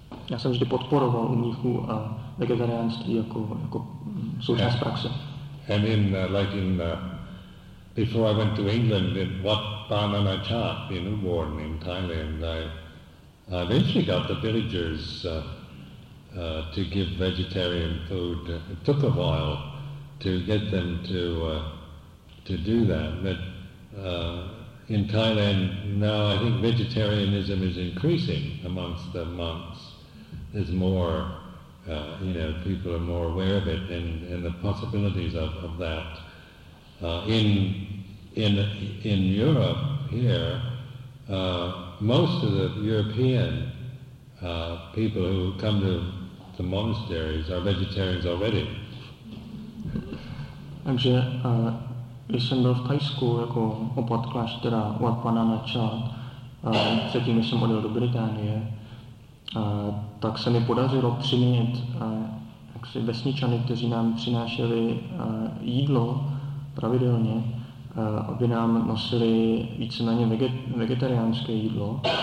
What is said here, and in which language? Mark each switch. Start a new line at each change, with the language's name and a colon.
Czech: Já jsem vždy podporoval u mnichů a vegetariánství jako součást praxe.
English: And in before I went to England, in Wat Phanganachat in Ubon in Thailand, I eventually got the villagers to give vegetarian food. It took a while to get them to do that, but in Thailand now I think vegetarianism is increasing amongst the monks. There's more, you know, people are more aware of it and the possibilities of that. In Europe here, most of the European people who come to the monasteries are vegetarians already.
Czech: Takže když jsem byl v Thajsku jako opatkláš teda Wat Pananachat, předtím, když jsem odjel do Británie, tak se mi podařilo přimět jaksi vesničany, kteří nám přinášeli jídlo pravidelně, aby nám nosili víceméně vegetariánské jídlo.